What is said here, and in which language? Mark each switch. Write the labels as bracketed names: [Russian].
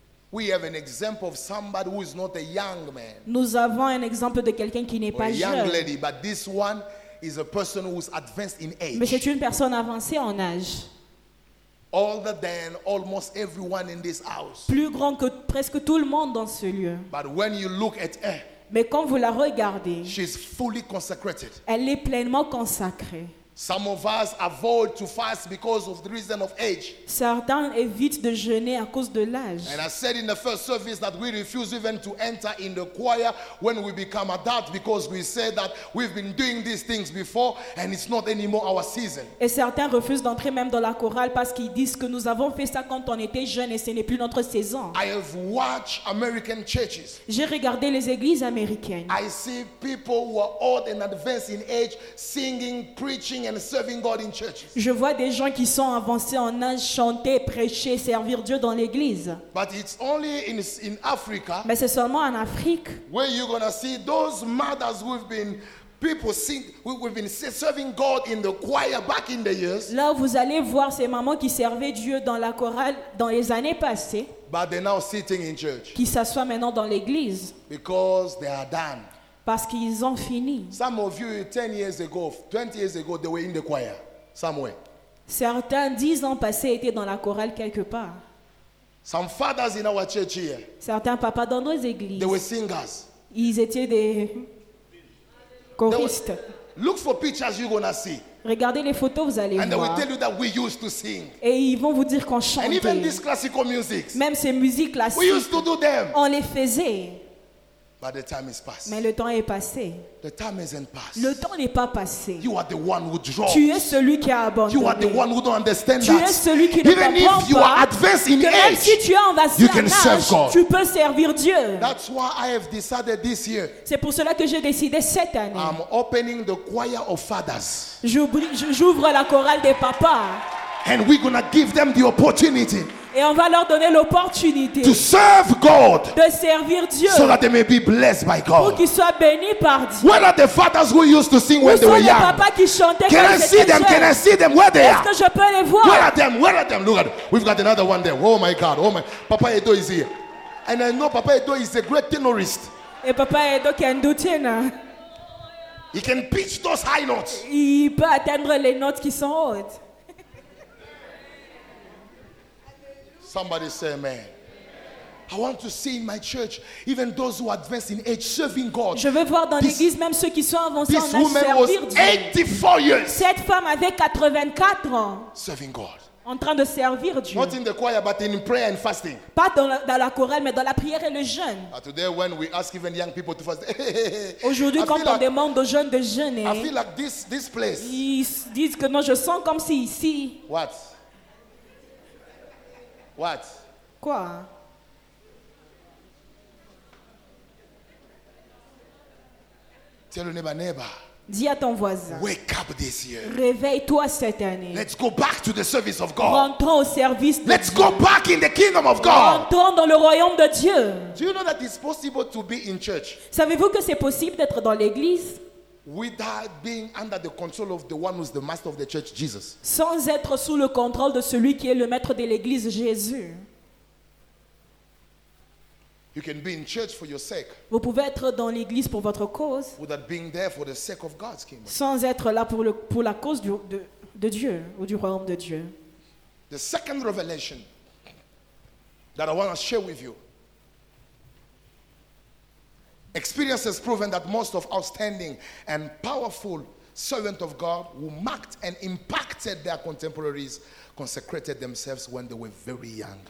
[English] We have an example of somebody who is not a young man. [French] Nous avons un exemple de quelqu'un qui n'est pas jeune. [English] A young lady, but this one is a person who is advanced in age. [French] Mais c'est une personne avancée en âge. [English] Older than almost everyone in this house. [French] Plus grand que presque tout le monde dans ce lieu. [English] But when you look at her, [French] mais quand vous la regardez, [English] she's fully consecrated. [French] Elle est pleinement consacrée. [English] Some of us avoid to fast because of the reason of age. [French] Certains évitent de jeûner à cause de l'âge. [English] And I said in the first service that we refuse even to enter in the choir when we become adult because we say that we've been doing these things before and it's not anymore our season. [French] Et certains refusent d'entrer même dans la chorale parce qu'ils disent que nous avons fait ça quand on était jeune et ce n'est plus notre saison. [English] I have watched American churches. [French] J'ai regardé les églises américaines. [English] I see people who are old and advanced in age singing, preaching, and serving God in churches. [French] Je vois des gens qui sont avancés en âge chanter, prêcher, servir Dieu dans l'église. [English] But it's only in Africa. [French] Mais c'est seulement en Afrique. [English] Where you're gonna see those mothers who've been serving God in the choir back in the years. [French] Là, vous allez voir ces mamans qui servaient Dieu dans la chorale dans les années passées. [English] But they're now sitting in church. [French] Qui s'assoient maintenant dans l'église. [English] Because they are done. [French] Parce qu'ils ont fini. [English] Some of you 10 years ago, 20 years ago, they were in the choir somewhere. [French] Certains 10 ans passés étaient dans la chorale quelque part. [English] Some fathers in our church here. [French] Certains papas dans nos églises. [English] They were singers. [French] Ils étaient des choristes. [English] Look for pictures you're gonna see. [French] Regardez les photos, vous allez [English] and [French] voir. [English] They will tell you that we used to sing. [French] Et ils vont vous dire qu'on chantait. [English] And even this classical music. [French] Même ces musiques classiques. [English] We used to do them. [French] On les faisait. [English] But the time is past. [French] Mais le temps est passé. [English] The time isn't past. [French] Le temps n'est pas passé. [English] You are the one who draws. [French] Tu es celui qui a abandonné. [English] You are the one who don't understand [French] tu [English] that. [French] Es celui qui [English] even [French] ne comprend [English] if you [French] pas, [English] are advanced in [French] que [English] age, [French] si tu es en [English] you can [French] âge, [English] serve God. [French] Tu peux servir Dieu. [English] That's why I have decided this year. [French] C'est pour cela que j'ai décidé cette année. [English] I'm opening the choir of fathers. [French] J'ouvre la chorale des papas. [English] And we're gonna give them the opportunity. [French] Et on va leur donner l'opportunité [English] to serve God, [French] de servir Dieu, [English] so that they may be blessed by God. [French] Pour qu'ils soient bénis par Dieu. [English] Where are the fathers who used to sing when [French] où [English] they were young? [French] Où sont les papas qui chantaient [English] can [French] quand [English] I see them? [French] Jeune? [English] Can I see them? Where they [French] Est-ce [English] are? [French] Que je peux les voir? [English] Where are them? Where are them? Look at them. We've got another one there. Oh my God! Oh my! Papa Edo is here, and I know Papa Edo is a great tenorist. Et Papa Edo can do tenor. He can pitch those high notes. [French] Il peut atteindre les notes qui sont hautes. [English] Somebody say amen. I want to see in my church even those who advance in age serving God. [French] Je veux voir dans l'église même ceux qui sont avancés en âge servir Dieu. [English] This woman was 84 years. [French] Cette femme avait 84 ans. [English] Serving God. [French] En train de servir Dieu. [English] Not in the choir, but in prayer and fasting. [French] Pas dans la chorale, mais dans la prière et le jeûne. [English] Today, when we ask even young people to fast, [French] aujourd'hui, quand on demande aux jeunes de jeûner, [English] I feel like this place. [French] Ils disent que non, je sens comme si ici. [English] What? What? [French] Quoi? [English] Tell your neighbor. [French] Dis à ton voisin. [English] Wake up this year. [French] Réveille-toi cette année. [English] Let's go back to the service of God. [French] Rentrons au service de [English] Let's [French] Dieu. [English] Go back in the kingdom of God. [French] Rentrons dans le royaume de Dieu. [English] Do you know that it's possible to be in church? [French] Savez-vous que c'est possible d'être dans l'église? [English] Without being under the control of the one who's the master of the church, Jesus. [French] Sans être sous le contrôle de celui qui est le maître de l'église, Jésus. [English] You can be in church for your sake. [French] Vous pouvez être dans l'église pour votre cause. [English] Without being there for the sake of God's kingdom. [French] Sans être là pour la cause de Dieu ou du royaume de Dieu. [English] The second revelation that I want to share with you. Experience has proven that most of outstanding and powerful servants of God who marked and impacted their contemporaries consecrated themselves when they were very young.